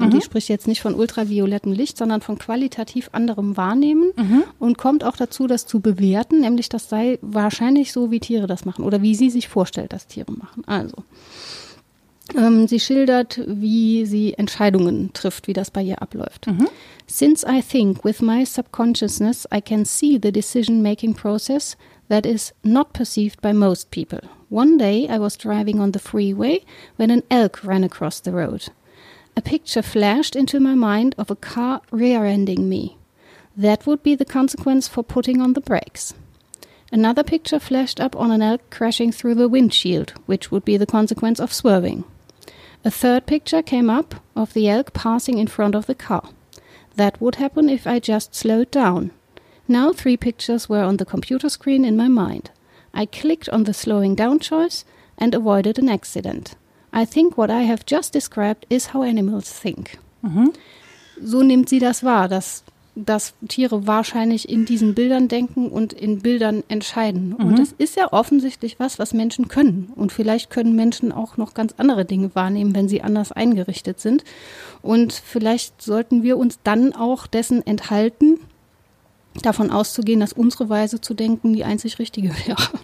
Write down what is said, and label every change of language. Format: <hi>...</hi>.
<de>Und die spricht jetzt nicht von ultraviolettem Licht, sondern von qualitativ anderem Wahrnehmen und kommt auch dazu, das zu bewerten, nämlich das sei wahrscheinlich so, wie Tiere das machen oder wie sie sich vorstellt, dass Tiere machen. Also, sie schildert, wie sie Entscheidungen trifft, wie das bei ihr abläuft.</de> <en>Since I think with my subconsciousness, I can see the decision-making process that is not perceived by most people. One day I was driving on the freeway when an elk ran across the road. A picture flashed into my mind of a car rear-ending me. That would be the consequence for putting on the brakes. Another picture flashed up on an elk crashing through the windshield, which would be the consequence of swerving. A third picture came up of the elk passing in front of the car. That would happen if I just slowed down. Now three pictures were on the computer screen in my mind. I clicked on the slowing down choice and avoided an accident. I think what I have just described is how animals think.</en> <de>So nimmt sie das wahr, dass Tiere wahrscheinlich in diesen Bildern denken und in Bildern entscheiden. Mhm. Und das ist ja offensichtlich was Menschen können. Und vielleicht können Menschen auch noch ganz andere Dinge wahrnehmen, wenn sie anders eingerichtet sind. Und vielleicht sollten wir uns dann auch dessen enthalten, davon auszugehen, dass unsere Weise zu denken die einzig richtige wäre.</de>